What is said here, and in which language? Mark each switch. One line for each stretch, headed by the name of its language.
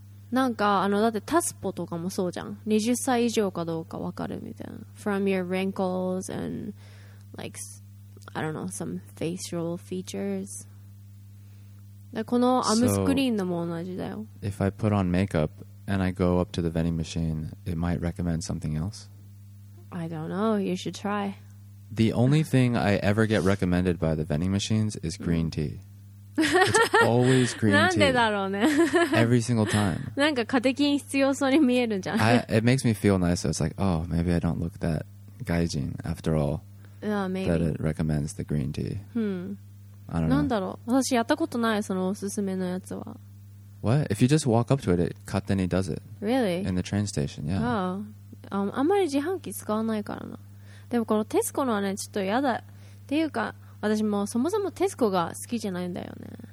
Japanese: なんかあのだってタスポとかもそうじゃん。20歳以上かどうかわかるみたいな。
English: From your wrinkles and like, I don't know, some facial features.
Japanese: このアムスクリーンのも同じだよ。
English: So, if I put on makeup and I go up to the vending machine, it might recommend something else? I don't know. You should try. The only thing I ever get recommended by the vending machines is green tea. It's always green tea.
Japanese: なんでだろうね。
English: Every single time.
Japanese: なんかカテキン必要そうに見えるんじゃん。
English: It makes me feel nice. So it's like, oh, maybe I don't look that gaijin after all. Yeah, maybe. That it recommends the green tea. Hmm. I don't know.
Japanese: なんだろう。私やったことない、そのおすすめのやつは。
English: What? If you just walk up to it, it
Japanese: katteni
English: does it. Really? In the train station, yeah. Oh.
Japanese: あんまり自販機使わないからな。でもこのテスコのはねちょっと嫌だっていうか、私もそもそもテスコが好きじゃないんだよね。